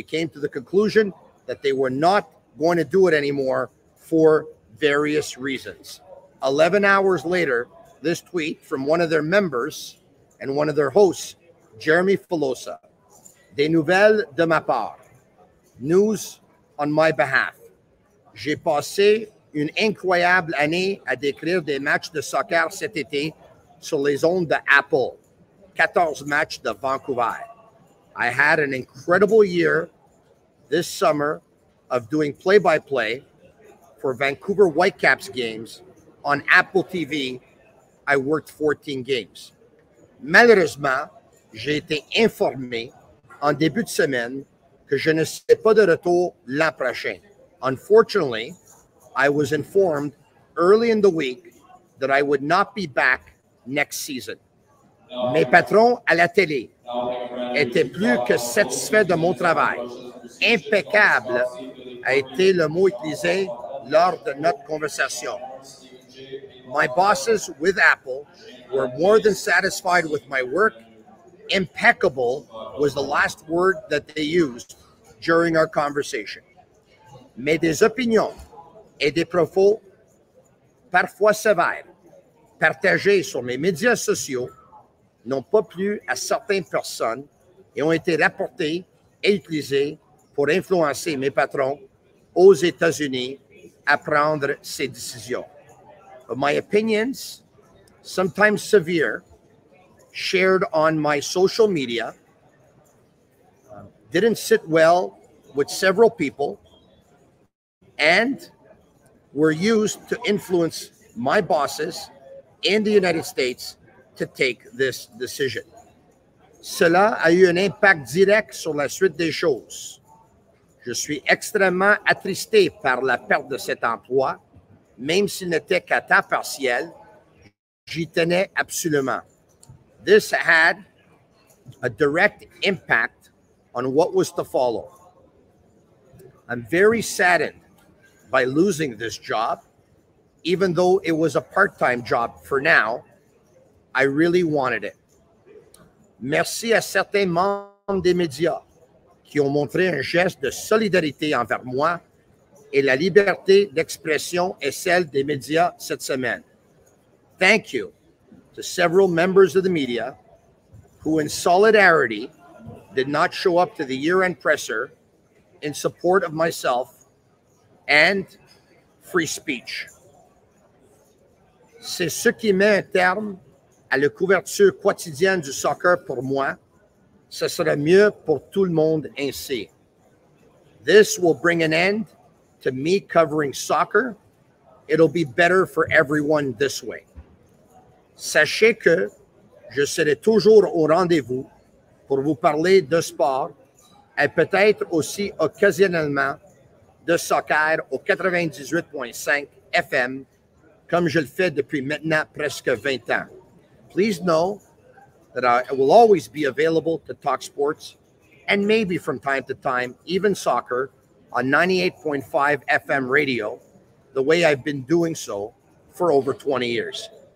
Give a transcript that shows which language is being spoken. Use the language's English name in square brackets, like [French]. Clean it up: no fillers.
[English] They came to the conclusion that they were not going to do it anymore for various reasons. 11 hours later, this tweet from one of their members and one of their hosts, Jeremy Filosa. [French] Des nouvelles de ma part. [English] News on my behalf. [French] J'ai passé une incroyable année à décrire des matchs de soccer cet été sur les zones de Apple. 14 matchs de Vancouver. [English] I had an incredible year this summer of doing play-by-play for Vancouver Whitecaps games on Apple TV. I worked 14 games. [French] Malheureusement, j'ai été informé en début de semaine que je ne serai pas de retour l'an prochain. [English] Unfortunately, I was informed early in the week that I would not be back next season. [French] Mes patrons à la télé étaient plus que satisfaits de mon travail. Impeccable a été le mot utilisé lors de notre conversation. [English] My bosses with Apple were more than satisfied with my work. Impeccable was the last word that they used during our conversation. [French] Mais des opinions et des propos parfois sévères partagés sur mes médias sociaux n'ont pas plu à certaines personnes et ont été rapportés et utilisés pour influencer mes patrons aux États-Unis à prendre ces décisions. [English] But my opinions, sometimes severe, shared on my social media, didn't sit well with several people, and were used to influence my bosses in the United States to take this decision. [French] Cela a eu un impact direct sur la suite des choses. Je suis extrêmement attristé par la perte de cet emploi, même s'il n'était qu'à temps partiel, j'y tenais absolument. [English] This had a direct impact on what was to follow. I'm very saddened by losing this job, even though it was a part-time job for now. I really wanted it. [French] Merci à certains membres des médias qui ont montré un geste de solidarité envers moi et la liberté d'expression est celle des médias cette semaine. [English] Thank you to several members of the media who in solidarity did not show up to the year-end presser in support of myself and free speech. [French] C'est ce qui met un terme à la couverture quotidienne du soccer pour moi. Ce serait mieux pour tout le monde ainsi. [English] This will bring an end to me covering soccer. It'll be better for everyone this way. [French] Sachez que je serai toujours au rendez-vous pour vous parler de sport et peut-être aussi occasionnellement de soccer au 98.5 FM comme je le fais depuis maintenant presque 20 ans. [English] Please know that I will always be available to talk sports and maybe from time to time, even soccer, on 98.5 FM radio, the way I've been doing so for over 20 years.